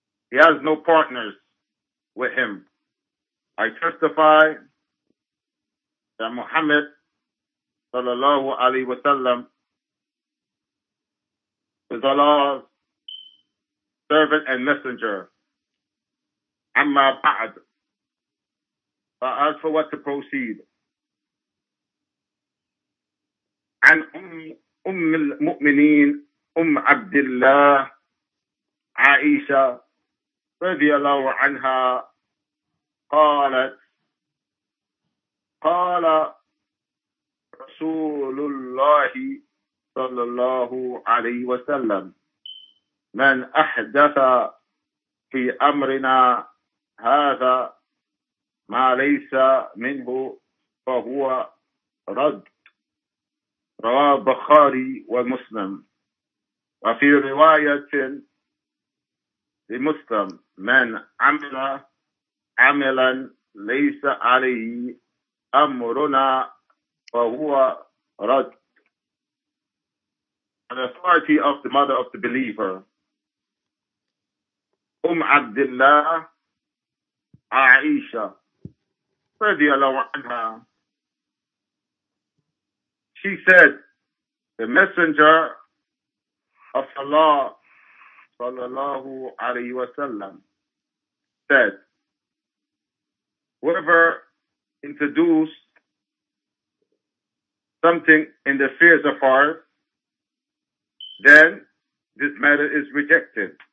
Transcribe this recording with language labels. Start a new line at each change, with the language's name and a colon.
English: He has no partners with him. I testify that Muhammad sallallahu alaihi wasallam is Allah's servant and messenger. Amma ba'd. But as for what to proceed.
Arabic: عن أم المؤمنين أم عبد الله عائشة رضي الله عنها قالت قال رسول الله صلى الله عليه وسلم من أحدث في أمرنا هذا ما ليس منه فهو رد. رواه البخاري ومسلم وفي رواية لمسلم من عمل عملا ليس عليه أمرنا فهو رد.
English: An authority of the mother of the believer,
Arabic: عبد الله عائشة رضي الله عنها.
English: She said, the messenger of Allah sallallahu alayhi wa sallam said, whoever introduced something in the affairs of ours, then this matter is rejected.